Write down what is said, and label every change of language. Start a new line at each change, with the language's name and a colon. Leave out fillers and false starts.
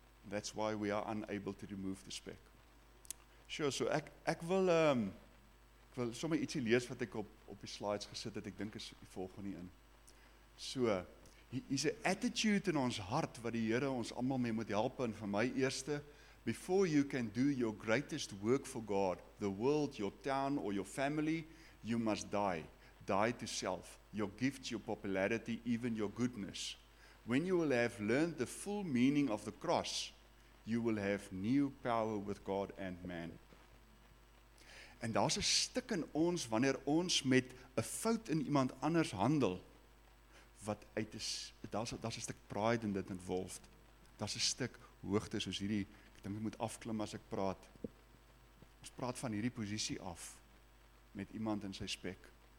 English: That's why we are unable to remove the speck.
Afrikaans: Sure, so ek wil sommer ietsie lees wat ek op die slides gesit het. Ek dink is die volgende in. So, hier's 'n attitude in ons hart wat die Here ons almal mee moet help. En vir my eerste,
English: before you can do your greatest work for God, the world, your town or your family, you must die. Die to self, your gifts, your popularity, even your goodness. When you will have learned the full meaning of the cross, you will have new power with God and man.
Afrikaans: En daar's 'n stuk in ons wanneer ons met 'n fout in iemand anders handel wat uit is, daar's 'n stuk pride in dit involved. Daar's 'n stuk hoogte soos hierdie, ek dink ek moet afklim as ek praat. Ons praat van hierdie posisie af met iemand in sy spek.